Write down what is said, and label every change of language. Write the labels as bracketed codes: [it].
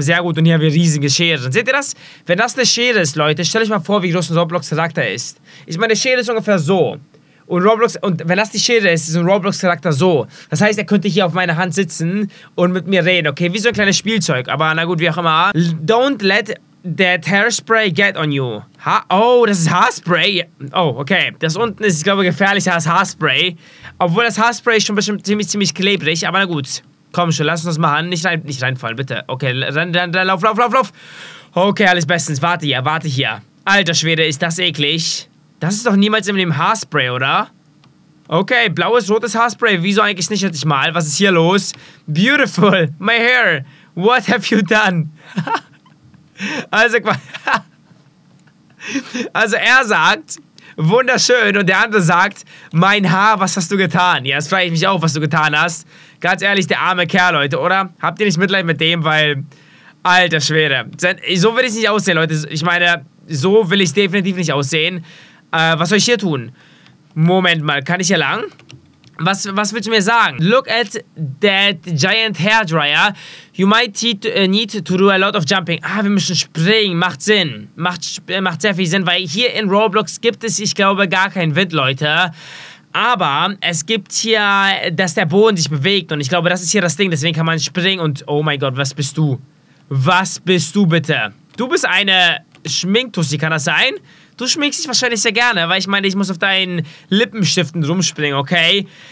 [de] Sehr gut und hier haben wir riesige Scheren. Seht ihr das? Wenn das eine Schere ist, Leute, stell euch mal vor, wie groß ein Roblox-Charakter ist. Ich meine, eine Schere ist ungefähr so. Und Roblox, und wenn das die Schere ist, ist ein Roblox-Charakter so. Das heißt, er könnte hier auf meiner Hand sitzen und mit mir reden, okay? Wie so ein kleines Spielzeug, aber na gut, wie auch immer. [en] Don't let that hairspray get on you. [de] Ha, oh, das ist Haarspray. Oh, okay. Das unten ist, ich glaube, gefährlicher als Haarspray. Obwohl das Haarspray ist schon bestimmt ziemlich klebrig. Aber na gut. Komm schon, lass uns das machen. Nicht reinfallen, bitte. Okay, dann lauf. Okay, alles bestens. Warte hier. Alter Schwede, ist das eklig. Das ist doch niemals in dem Haarspray, oder? Okay, blaues, rotes Haarspray. Wieso eigentlich nicht, hätte ich mal. Was ist hier los? [en] Beautiful. My hair. What have you done? [de] Also, quasi... Also er sagt, wunderschön, und der andere sagt, mein Haar, was hast du getan? Ja, jetzt frage ich mich auch, was du getan hast. Ganz ehrlich, der arme Kerl, Leute, oder? Habt ihr nicht Mitleid mit dem, weil, alter Schwede. So will ich nicht aussehen, Leute. Ich meine, so will ich definitiv nicht aussehen. Was soll ich hier tun? Moment mal, kann ich hier lang? Was willst du mir sagen? [en] Look at that giant hairdryer. You might need to do a lot of jumping. [de] Ah, wir müssen springen. Macht Sinn. Macht sehr viel Sinn, weil hier in Roblox gibt es, ich glaube, gar keinen Wind, Leute. Aber es gibt hier, dass der Boden sich bewegt. Und ich glaube, das ist hier das Ding. Deswegen kann man springen und... Oh mein Gott, was bist du? Was bist du bitte? Du bist eine Schminktussi, kann das sein? Du schminkst dich wahrscheinlich sehr gerne, weil ich meine, ich muss auf deinen Lippenstiften rumspringen, okay?